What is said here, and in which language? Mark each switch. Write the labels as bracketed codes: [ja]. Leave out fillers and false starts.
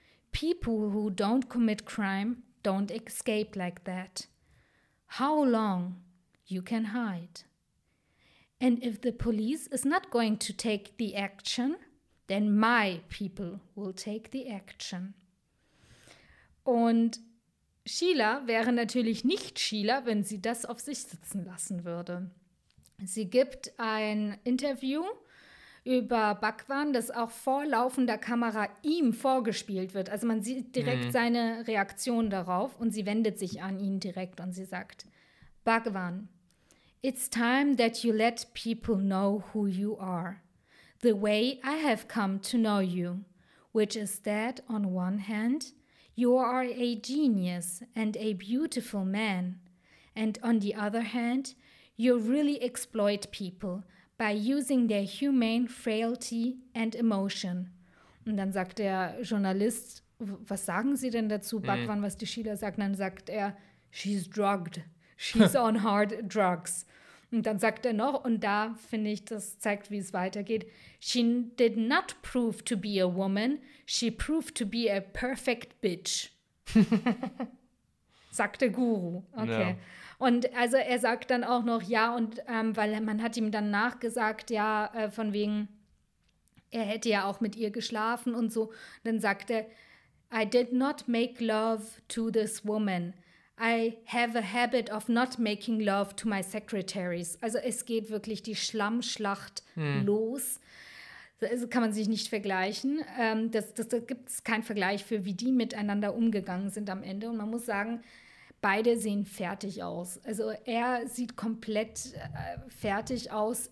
[en] People who don't commit crime don't escape like that. How long you can hide? And if the police is not going to take the action, then my people will take the action. [de] Und Sheila wäre natürlich nicht Sheila, wenn sie das auf sich sitzen lassen würde. Sie gibt ein Interview über Bhagwan, das auch vor laufender Kamera ihm vorgespielt wird. Also man sieht direkt seine Reaktion darauf und sie wendet sich an ihn direkt und sie sagt, Bhagwan, [en] it's time that you let people know who you are. The way I have come to know you, which is that on one hand, you are a genius and a beautiful man. And on the other hand, you really exploit people by using their humane frailty and emotion. [de] Und dann sagt der Journalist, was sagen Sie denn dazu, Bhagwan, was die Sheila sagt? Und dann sagt er, [en] she's drugged, she's on hard drugs. [de] Und dann sagt er noch, und da finde ich, das zeigt, wie es weitergeht, [en] she did not prove to be a woman, she proved to be a perfect bitch. [de] Sagt der Guru. Okay. No. Und also er sagt dann auch noch, ja, und weil man hat ihm dann nachgesagt, ja, von wegen, er hätte ja auch mit ihr geschlafen und so. [en] Dann sagt er, I did not make love to this woman. I have a habit of not making love to my secretaries. [de] Also es geht wirklich die Schlammschlacht los. Das kann man sich nicht vergleichen. Da gibt es keinen Vergleich für, wie die miteinander umgegangen sind am Ende. Und man muss sagen, beide sehen fertig aus. Also er sieht komplett fertig aus.